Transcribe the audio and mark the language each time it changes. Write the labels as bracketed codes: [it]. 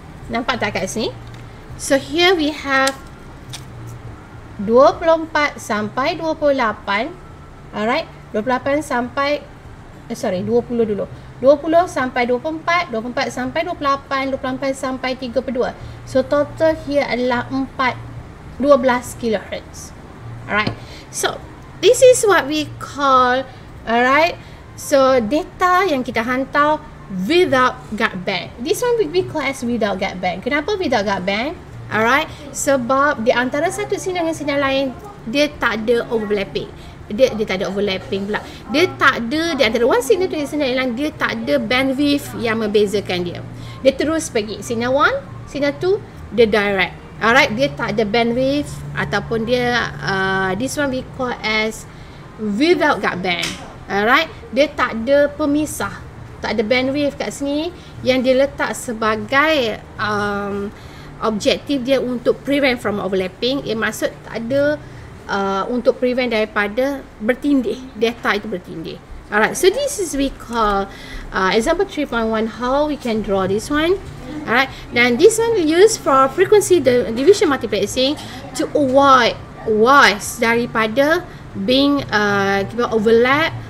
[ms] Nampak tak kat sini? [en] So here we have [ms] 24 sampai 28. Alright, 28 sampai 20 dulu. 20 sampai 24, 24 sampai 28, 28 sampai 32. [en] So total here [ms] adalah [en] 12 kHz. Alright. So this is what we call, alright, so [ms] data yang kita hantar [en] without guard band. This one we call as without guard band. [ms] Kenapa [en] without guard band? [ms] Alright, sebab di antara satu sinyal dengan sinyal lain, dia tak ada overlapping. Dia tak ada overlapping pula. Dia tak ada, di antara one sinyal dengan sinyal lain, dia tak ada bandwidth yang membezakan dia. Dia terus pergi. Sinyal one, sinyal two, dia direct. Alright, dia tak ada bandwidth ataupun dia, [en] this one we call as without guard band. [ms] Alright, dia tak ada pemisah. Tak ada bandwidth kat sini yang dia letak sebagai objektif dia untuk [en] prevent from overlapping. [ms] Ia maksud tak ada untuk prevent daripada bertindih. Data itu bertindih. [en] Alright, so this is we call example 3.1, how we can draw this one. Alright, then this one we use for frequency division multiplexing to avoid voice [ms] daripada [en] being overlap.